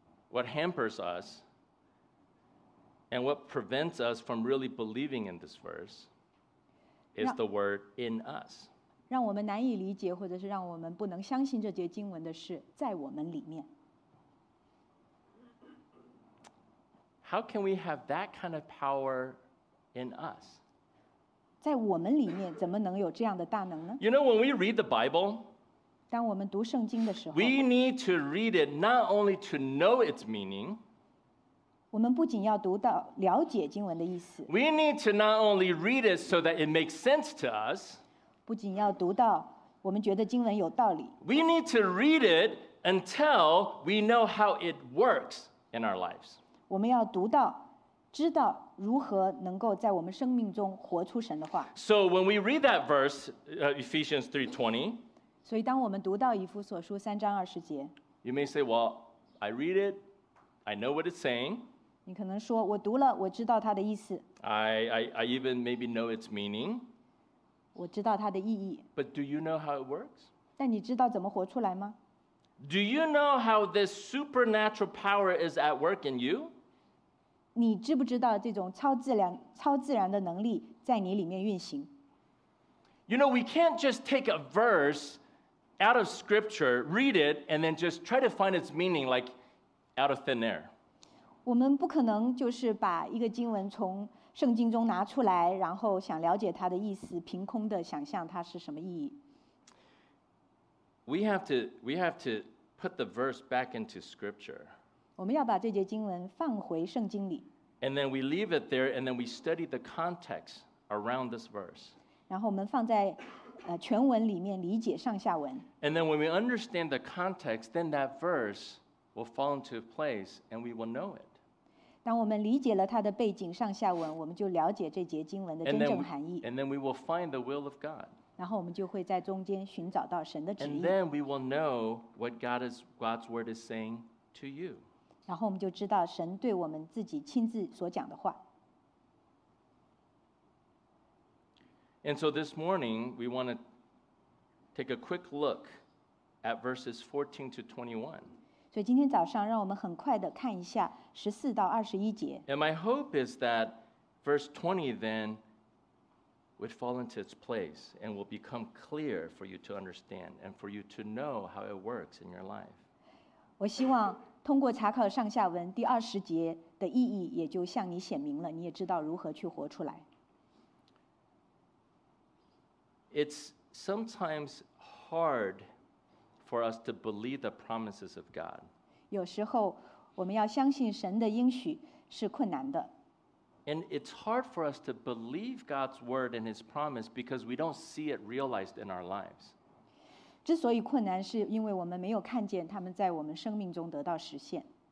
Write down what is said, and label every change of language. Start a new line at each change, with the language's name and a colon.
English: What hampers us and what prevents us from really believing in this verse is the word in us.
Chinese: 让我们难以理解或者是让我们不能相信这节经文的是在我们里面。
English: How can we have that kind of power in us?
Chinese: 在我们里面怎么能有这样的大能呢？
English: You know, when we read the Bible,
Chinese: 当我们读圣经的时候
English: we need to read it not only to know its meaning,
Chinese: 我们不仅要读到了解经文的意思
English: we need to not only read it so that it makes sense to us,
Chinese: 不仅要读到我们觉得经文有道理
English: we need to read it until we know how it works in our lives,
Chinese: 我们要读到知道如何能够在我们生命中活出神的话
English: so when we read that verse, Ephesians 3:20,
Chinese: 所以当我们读到以弗所书三章二十节
English: You may say, well, I read it, I know what it's saying.
Chinese: 你可能说我读了我知道它的意思
English: I even maybe know its meaning.
Chinese: 我知道它的意义
English: But do you know how it works?
Chinese: 但你知道怎么活出来吗
English: Do you know how this supernatural power is at work in you?
Chinese: 你知不知道这种超自然的能力在你里面运行？
English: You know, we can't just take a verse out of scripture, read it, and then just try to find its meaning like out of thin air.
Chinese: 我们不可能就是把一个经文从圣经中拿出来，然后想了解它的意思，凭空的想象它是什么意义。
English: We have to put the verse back into scripture.
Chinese: 我们要把这节经文放回圣经里。
English: And then we leave it there, and then we study the context around this verse.
Chinese: 然后我们放在全文里面理解上下文。
English: And then when we understand the context, then that verse will fall into place, and we will know it.
Chinese: 当我们理解了它的背景上下文，我们就了解这节经文的真正含义。
English: And then we will find the will of God.
Chinese: 然后我们就会在中间寻找到神的旨意。
English: And then we will know what God's word is saying to you.
Chinese: 然后我们就知道神对我们自己亲自所讲的话。
English: And so this morning we want to take a quick look at verses 14 to 21.
Chinese: 所以今天早上让我们很快的看一下十四到二十一节。
English: And my hope is that verse 20 then would fall into its place and will become clear for you to understand and for you to know how it works in your life.
Chinese: 我希望通过查考上下文，第二十节的意义也就向你显明了，你也知道如何去活出来。
English: It's sometimes hard. For us to believe the promises of God.
Chinese: 有时候我们要相信神的应许是困难的。
English: And it's hard for us to believe God's word and His promise because we don't see it realized in our lives.
Chinese: 之所以困难是因为我们没有看见他们在我们生命中得到实现。